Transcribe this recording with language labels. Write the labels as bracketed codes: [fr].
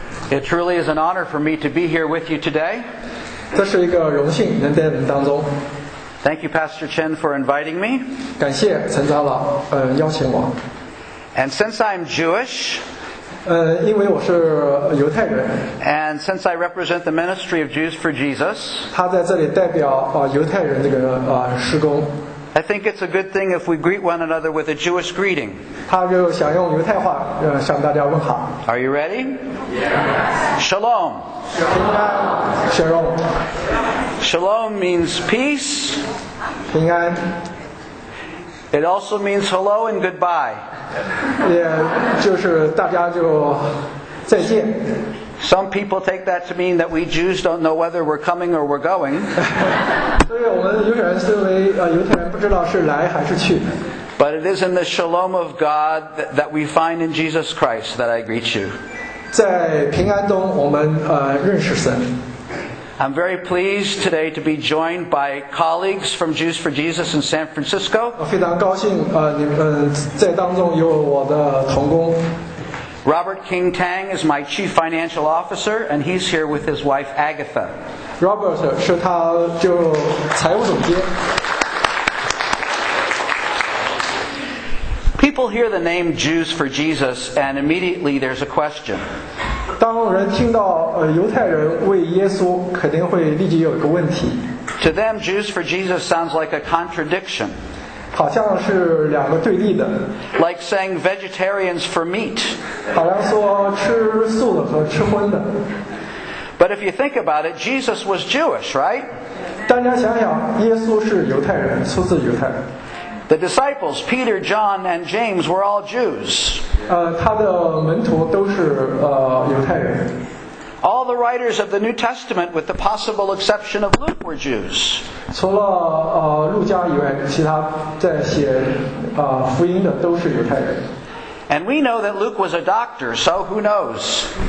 [en] It truly is an honor for me to be here with you today. [zh] 这是一个荣幸能在你们当中。 [en] Thank you, Pastor Chen, for inviting me. [zh] 感谢陈长老，邀请我。 [en] And since I'm Jewish, [zh] 因为我是犹太人。 [en] And since I represent the ministry of Jews for Jesus, [zh] 他在这里代表犹太人这个施工。 [en] I think it's a good thing if we greet one another with a Jewish greeting. [zh] 他就想用犹太话向大家问好。 [en] Are you ready? Yes. [he] Shalom. Shalom. Shalom. [en] Shalom means peace. [zh] 平安。 [en] It also means hello and goodbye. [zh] 也就是大家就再见。 [en] Some people take that to mean that we Jews don't know whether we're coming or we're going. [zh] 所以我们犹太人思维，犹太人不知道是来还是去。 [en] But it is in the shalom of God that we find in Jesus Christ that I greet you. [zh] 在平安中我们认识神。 [en] I'm very pleased today to be joined by colleagues from Jews for Jesus in San Francisco. [zh] 非常高兴你们在当中有我的同工。 [en] Robert King Tang is my chief financial officer, and he's here with his wife Agatha. [zh] Robert 是他就财务总监。 [en] People hear the name Jews for Jesus, and immediately there's a question. [zh] 当人听到犹太人为耶稣，肯定会立即有一个问题。 [en] To them, Jews for Jesus sounds like a contradiction. [zh] 好像是两个对立的。 [en] Like saying vegetarians for meat. [zh] 好像说吃素的和吃荤的。 [en] But if you think about it, Jesus was Jewish, right? [zh] 大家想想，耶稣是犹太人，出自犹太人。 [en] The disciples, Peter, John, and James, were all Jews. [zh] 他的门徒都是犹太人。 [en] All the writers of the New Testament, with the possible exception of Luke, were Jews. [zh] 除了路加以外，其他在写福音的都是犹太人。 [en] And we know that Luke was a doctor, so who knows?